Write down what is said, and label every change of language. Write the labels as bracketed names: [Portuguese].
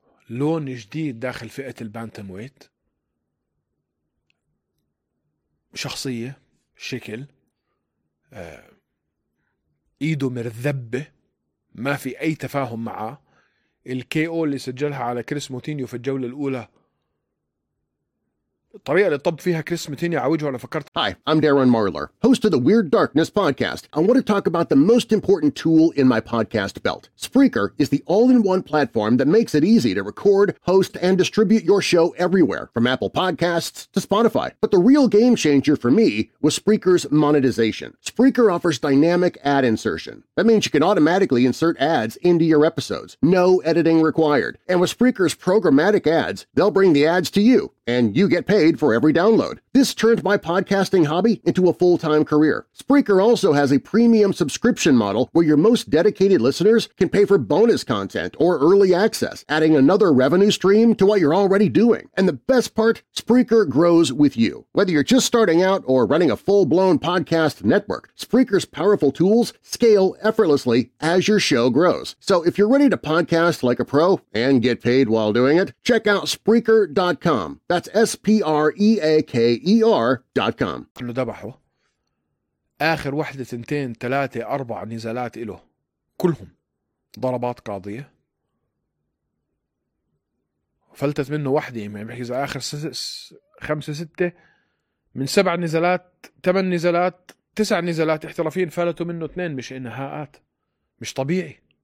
[Arabic] لون جديد داخل فئة البانتم ويت، شخصية شكل ايده مرذبة ما في اي تفاهم معه. الكي او اللي سجلها على كريس موتينيو في الجولة الاولى، الطريقة اللي طب فيها كريس موتينيو عوجه، انا فكرت [English] Hi, I'm Darren Marlar, host of the Weird Darkness podcast. I want to talk about the most important tool in my podcast belt. Spreaker is the all-in-one platform that makes it easy to record, host, and distribute your show everywhere, from Apple Podcasts to Spotify. But the real game changer for me was Spreaker's monetization. Spreaker offers dynamic ad insertion. That means you can automatically insert ads into your episodes, no editing required. And with Spreaker's programmatic ads, they'll bring the ads to you, and you get paid for every download. This turned my podcasting hobby into a full-time career. Spreaker also has a premium subscription model where your most dedicated listeners can pay for bonus content or early access, adding another revenue stream to what you're already doing. And the best part, Spreaker grows with you. Whether you're just starting out or running a full-blown podcast network, Spreaker's powerful tools scale effortlessly as your show grows. So if you're ready to podcast like a pro and get paid while doing it, check out Spreaker.com. That's Spreaker.com. [Arabic] انه ذبحه اخر واحدة اثنتين ثلاثة اربع نزالات له كلهم ضربات قاضية، فلتت منه واحدة، يعني بحكي اذا اخر خمسة ستة من سبع نزالات ثمان نزالات تسع نزالات احترافين فلتوا منه اثنين، مش انهاءات، مش طبيعي.